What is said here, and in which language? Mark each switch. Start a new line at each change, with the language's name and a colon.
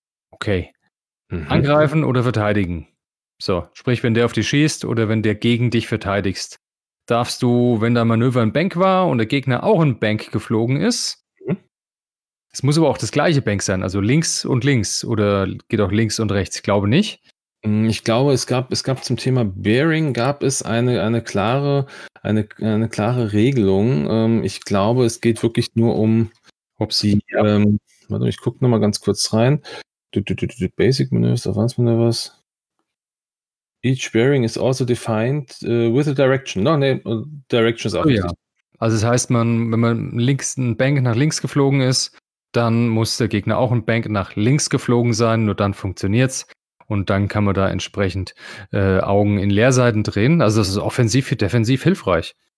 German: Okay. Mhm. Angreifen oder verteidigen. So, sprich, wenn der auf dich schießt oder wenn der gegen dich verteidigst, darfst du, wenn dein Manöver ein Bank war und der Gegner auch ein Bank geflogen ist, es muss aber auch das gleiche Bank sein, also links und links oder geht auch links und rechts, ich glaube nicht. Ich glaube, es gab zum Thema Bearing gab es eine klare Regelung. Ich glaube, es geht wirklich nur um, ob sie, warte, ich gucke nochmal ganz kurz rein. Basic Manövers, Advanced Manövers.
English: Each Bearing is also defined with a Direction.
German: No, nee, Direction ist auch richtig. Ja. Also das heißt, wenn man links ein Bank nach links geflogen ist, dann muss der Gegner auch ein Bank nach links geflogen sein, nur dann funktioniert's. Und dann kann man da entsprechend Augen in Leerseiten drehen. Also das ist offensiv für defensiv hilfreich.